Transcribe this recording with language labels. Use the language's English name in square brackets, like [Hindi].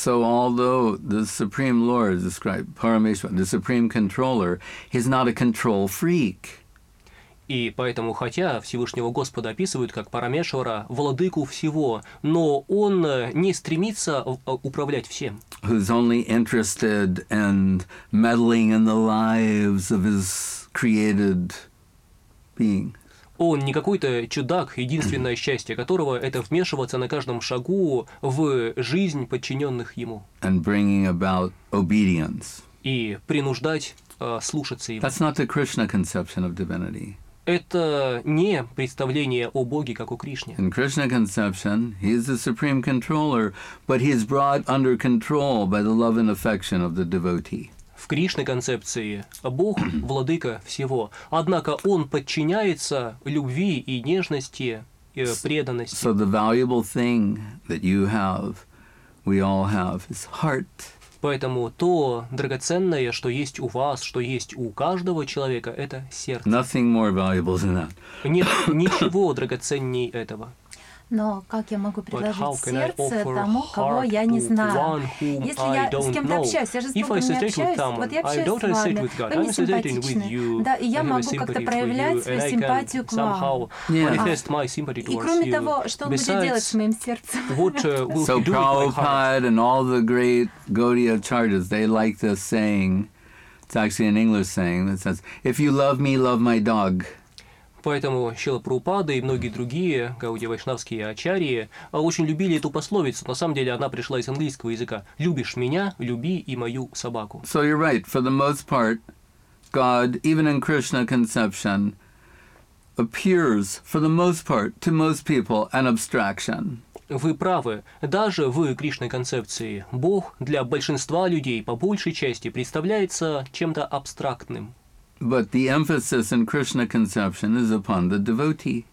[English] So although the Supreme Lord is described, Parameshwar, the Supreme Controller, he's not a control freak. [Russian] И поэтому, хотя Всевышнего Господа описывают как Парамешвара, владыку всего, но он не стремится управлять всем. [English] Who's only interested in meddling in the lives of his created being. [Russian] Он не какой-то чудак, единственное счастье которого – это вмешиваться на каждом шагу в жизнь подчиненных ему. [English] And bringing about obedience. [Russian] И принуждать слушаться ему. [English] That's not the Krishna conception of divinity. [Russian] Это не представление о Боге, как о Кришне. [English] In Krishna conception, he is the supreme controller, but he is brought under control by the love and affection of the devotee. [Russian] В Кришне концепции Бог – владыка всего. Однако он подчиняется любви и нежности, и преданности. [English] So the valuable thing that you have, we all have, is heart. [Russian] Поэтому то драгоценное, что есть у вас, что есть у каждого человека, это сердце. [English] Nothing more valuable than that. [Russian] Нет ничего драгоценней этого. Но как я могу предложить сердце тому, кого я не знаю? Если я с кем-то общаюсь, я же с другом не общаюсь. Вот я общаюсь с вами, вы мне симпатичны. Да, и я могу как-то проявлять свою симпатию к вам. [English] Yeah. [Russian] И кроме того, что он будет делать с моим сердцем? [English] So Prabhupada and all the great Gaudiya Acharyas, they like this saying, it's actually an English saying, that says, if you love me, love my dog. [Russian] Поэтому Шрила Прабхупада и многие другие гаудия-вайшнавские ачарьи очень любили эту пословицу. На самом деле она пришла из английского языка. «Любишь меня, люби и мою собаку». [English] So you're right. For the most part, God, even in Krishna conception, appears, for the most part, to most people, an abstraction. [Russian] Вы правы. Даже в Кришной концепции Бог для большинства людей, по большей части, представляется чем-то абстрактным. [English] But the emphasis in Krishna conception is upon the devotee.